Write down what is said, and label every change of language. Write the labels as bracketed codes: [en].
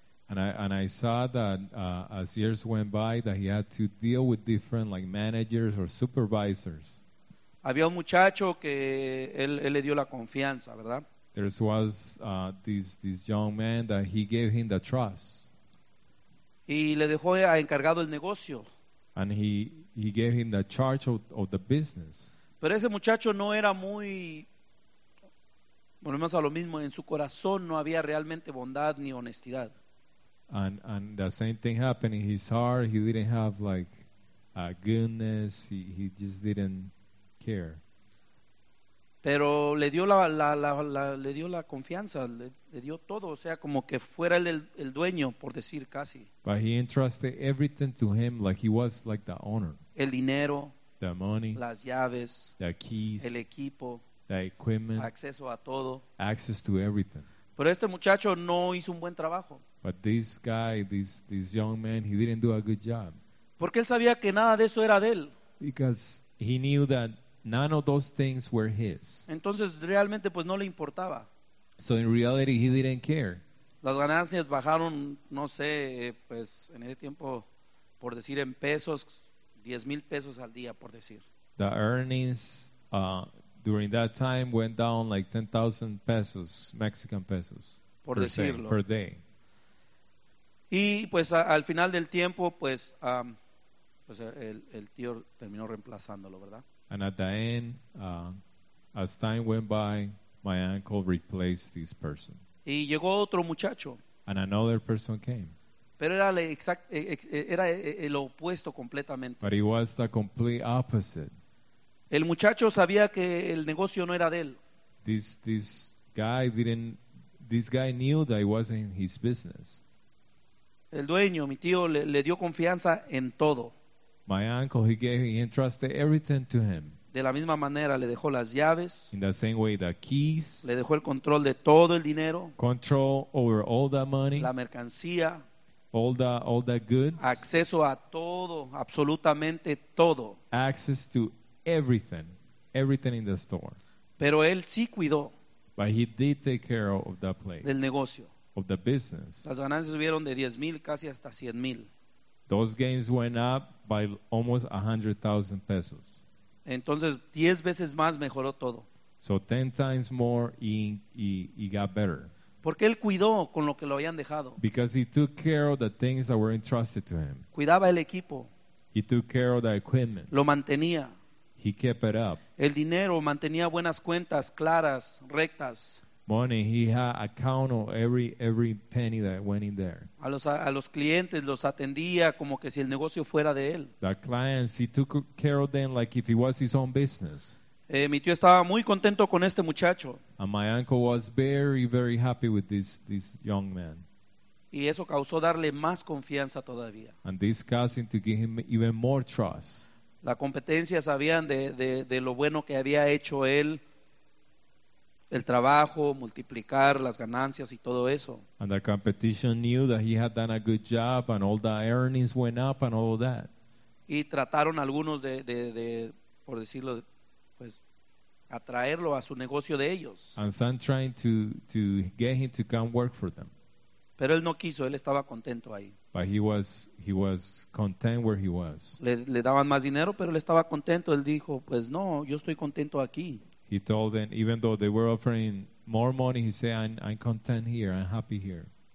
[en] And I saw that as years went by that he had to deal with different like managers or supervisors. [es] Había un muchacho que él le dio la confianza, ¿verdad? [en] There was this young man that he gave him the trust. [es] Y le dejó a encargado el negocio. [en] And he gave him the charge of the business. [es] Pero ese muchacho no era muy, volvemos a lo mismo, en su corazón no había realmente bondad ni honestidad. [en] And the same thing happened in his heart. He didn't have like a goodness. He just didn't care. [es] Pero le dio la le dio la confianza. Le dio todo. O sea, como que fuera el dueño, por decir casi. [en] But he entrusted everything to him like he was like the owner. [es] El dinero. [en] The money. [es] Las llaves. [en] The keys. [es] El equipo. [en] The equipment. [es] Acceso a todo. [en] Access to everything. [es] Pero este muchacho no hizo un buen trabajo. [en] But this guy, this young man, he didn't do a good job. [es] Porque él sabía que nada de eso era de él. [en] Because he knew that none of those things were his. [es] Entonces realmente pues no le importaba. [en] So in reality he didn't care. [es] Las ganancias bajaron, no sé, pues en ese tiempo, por decir en pesos, 10,000 pesos al día, por decir. [en] The earnings during that time went down like 10,000 pesos, Mexican pesos. [es] Por decirlo. [en] Per day. [es] Y pues al final del tiempo, pues, pues el tío terminó reemplazándolo, ¿verdad? [en] And at the end, as time went by, my uncle replaced this person. [es] Y llegó otro muchacho. [en] And another person came. [es] Pero era el opuesto completamente. [en] But it was the complete opposite. [es] El muchacho sabía que el negocio no era de él. [en] This guy knew that it wasn't his business. [es] El dueño, mi tío, le dio confianza en todo. [en] My uncle, he entrusted everything to him. [es] De la misma manera, le dejó las llaves. [en] In the same way, the keys. [es] Le dejó el control de todo el dinero. [en] Control over all the money. [es] La mercancía. [en] All the goods. [es] Acceso a todo, absolutamente todo. [en] Access to everything. Everything in the store. [es] Pero él sí cuidó. [en] But he did take care of that place. [es] Del negocio. [en] Of the business. [es] Las ganancias subieron de 10,000 casi hasta 100,000. [en] Those gains went up by almost 100,000 pesos. [es] Entonces, 10 veces más mejoró todo. [en] So 10 times more he got better. [es] Porque él cuidó con lo que lo habían dejado. [en] Because he took care of the things that were entrusted to him. [es] Cuidaba el equipo. [en] He took care of the equipment. [es] Lo mantenía. [en] He kept it up. [es] El dinero mantenía buenas cuentas claras, rectas. [en] Money, he had account of every penny that went in there. [es] A los clientes los atendía como que si el negocio fuera de él. [en] The clients, he took care of them like if it was his own business. [es] Mi tío estaba muy contento con este muchacho. [en] And my uncle was very, very happy with this young man. [es] Y eso causó darle más confianza todavía. [en] And this caused him to give him even more trust. [es] La competencia sabían de lo bueno que había hecho él, el trabajo, multiplicar las ganancias y todo eso. [en] And the competition knew that he had done a good job and all the earnings went up and all of that. [es] Y trataron algunos de por decirlo, pues, atraerlo a su negocio de ellos. [en] And some trying to get him to come work for them. [es] Pero él no quiso, él estaba contento ahí. [en] But he was content where he was. [es] Le daban más dinero, pero él estaba contento. Él dijo, pues no, yo estoy contento aquí. [en] He told them, even though they were offering more money, he said, I'm content here, I'm happy here.